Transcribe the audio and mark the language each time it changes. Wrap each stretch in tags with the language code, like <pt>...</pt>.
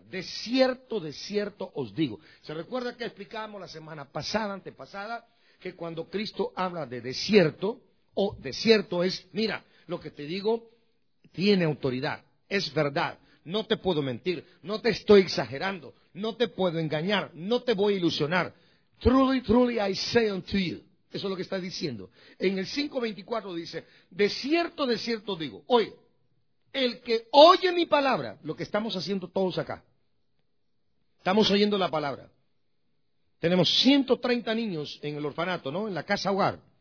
<es>De cierto os digo. ¿Se recuerda que explicábamos la semana pasada, antepasada? Que cuando Cristo habla de desierto, o desierto es, mira, lo que te digo tiene autoridad, es verdad, no te puedo mentir, no te estoy exagerando, no te puedo engañar, no te voy a ilusionar.</es> <en>Truly, truly I say unto you.</en> <es>Eso es lo que está diciendo. En el 5:24 dice, de cierto digo, oye, el que oye mi palabra, lo que estamos haciendo todos acá, estamos oyendo la palabra. Tenemos 130 niños en el orfanato, ¿no? En la casa hogar.</es>